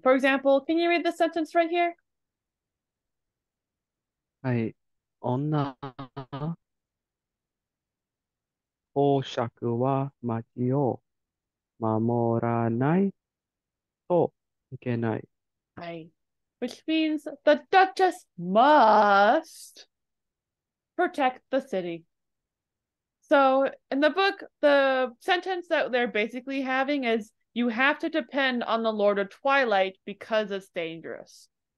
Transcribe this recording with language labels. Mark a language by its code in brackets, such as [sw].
[en] For example, can you read the sentence right here? [ja] はい、女公爵は町を守らないといけない。 [en] Which means the Duchess must protect the city. So, in the book, the sentence that they're basically having is you have to depend on the Lord of Twilight because it's dangerous.